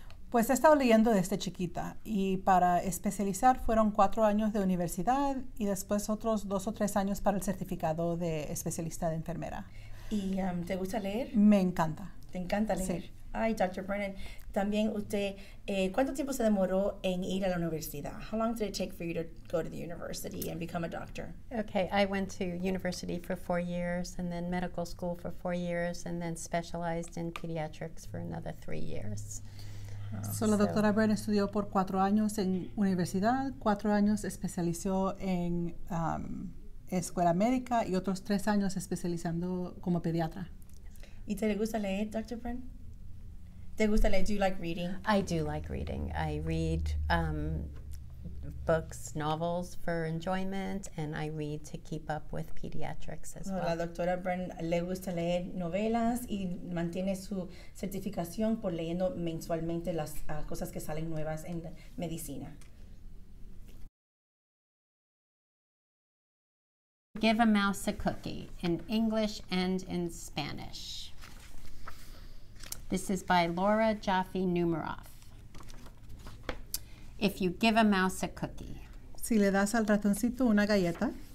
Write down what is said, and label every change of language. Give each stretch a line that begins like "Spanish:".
Spanish: Pues he estado leyendo desde chiquita y para especializar fueron 4 años de universidad y después otros 2 o 3 años para el certificado de especialista de enfermera. ¿Y te gusta leer? Me encanta. ¿Te encanta leer? Sí. Ay, Dr. Brennan, también usted, ¿cuánto tiempo se demoró en ir a la universidad?
English: How long did it take for you to go to the university and become a doctor? Okay, I went to university for 4 years and then medical school for 4 years and then specialized in pediatrics for another 3 years.
Spanish: So, la doctora Brennan estudió por 4 años en universidad, 4 años especializó en escuela médica y otros 3 años especializando como pediatra. ¿Y te gusta leer, Dr. Brennan? ¿Te gusta leer?
English: Do you like reading? I do like reading. I read books, novels for enjoyment, and I read to keep up with pediatrics as well.
Spanish: La doctora Brennan le gusta leer novelas y mantiene su certificación por leyendo mensualmente las cosas que salen nuevas en medicina.
English: Give a mouse a cookie in English and in Spanish. This is by Laura Jaffe Numeroff. If you give a mouse a cookie.
Spanish: Si le das al ratoncito una galleta.